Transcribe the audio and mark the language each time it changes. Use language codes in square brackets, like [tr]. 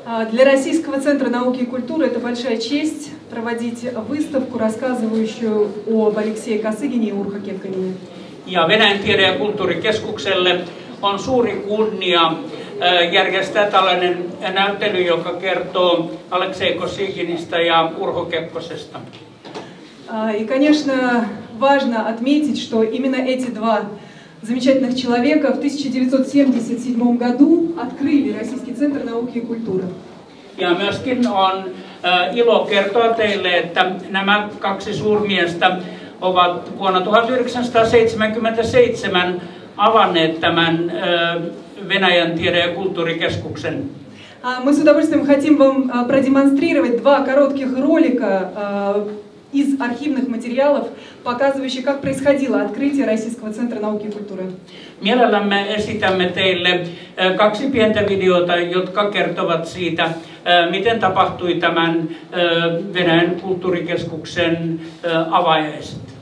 [ru] Для Российского центра науки и культуры это большая честь проводить выставку, рассказывающую об Алексее Косыгине и Урхо Кекконене. [fi] Ja Venäjän tiede- ja kulttuurikeskukselle on suuri kunnia järjestää tällainen näyttely, joka kertoo Aleksei Kosyginista ja Urho Kekkosesta. [ru] И, конечно, важно отметить, что именно эти два замечательных человека в 1977 году открыли Российский центр науки и культуры. [fi] Ja myöskin on ilo kertoa teille, että nämä kaksi suurmiestä ovat vuonna 1977 avanneet tämän Venäjän tiede- ja kulttuurikeskuksen. [ru] Мы с удовольствием хотим вам продемонстрировать два коротких ролика из архивных материалов, показывающих, как происходило открытие Российского центра науки и культуры. [fi] Mielellämme esitämme teille kaksi pientä videota, jotka kertovat siitä, miten tapahtui tämän Venäjän kulttuurikeskuksen avajaiset.